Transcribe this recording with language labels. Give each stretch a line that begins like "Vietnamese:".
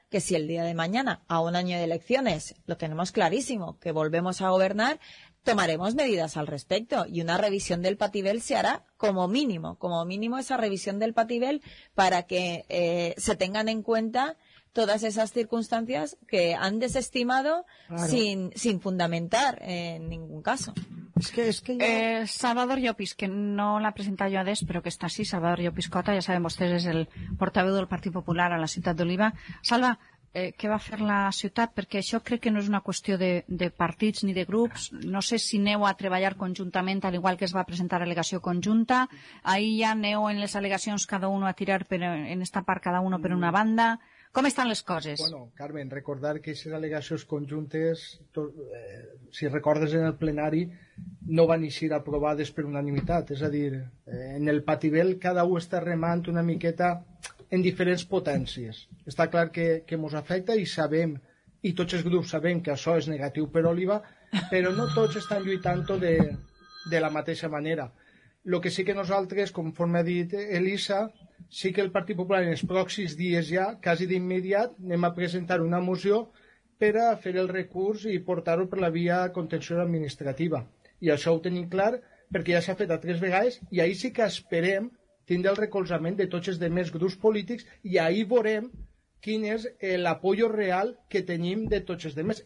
Spanish: que si el día de mañana, a un año de elecciones, lo tenemos clarísimo, que volvemos a gobernar, tomaremos medidas al respecto y una revisión del patibel se hará como mínimo esa revisión del patibel para que se tengan en cuenta todas esas circunstancias que han desestimado. Claro. sin fundamentar en ningún caso. Es que yo... Salvador Llopis, que no la he presentado yo a DES, pero que está así, Salvador Llopis Cota, ya sabemos, usted es el portavoz del Partido Popular
Catalan: a la ciutat d'Oliva.
Spanish: Salva, ¿qué va a hacer la ciutat?
Catalan: Perquè això crec que no és una qüestió de partits ni de grups. No sé si aneu a treballar conjuntament, al igual que es va presentar alegació conjunta. Ahí ja aneu en les alegacions
Spanish: cada uno
Catalan: a tirar per, en esta part cada uno per una banda.
Spanish: ¿Cómo están las cosas? Bueno, Carmen, recordar que esas alegaciones conjuntas,
Catalan: si recordes en el plenari,
Spanish: no van a ser aprobadas por unanimidad. Es decir, en el patibel cada uno está remando
Catalan: una miqueta
Spanish: en diferentes potencias. Está claro que nos afecta y sabemos, y todos los grupos saben que eso es negativo para Oliva, pero no todos están lluitando
Catalan: de la mateixa manera.
Spanish: Lo que sí que
Catalan: nosotros, conforme ha dicho Elisa, sí que el Partit Popular en els pròxims dies ja, quasi d'immediat, anem a presentar una moció per a fer el recurs i portar-ho per la via contenciosa administrativa. I això ho tenim clar perquè ja s'ha fet a tres vegades i ahir sí que esperem tindre el recolzament de tots els demés grups polítics i ahir veurem quin és l'apollo real que tenim de tots els demés.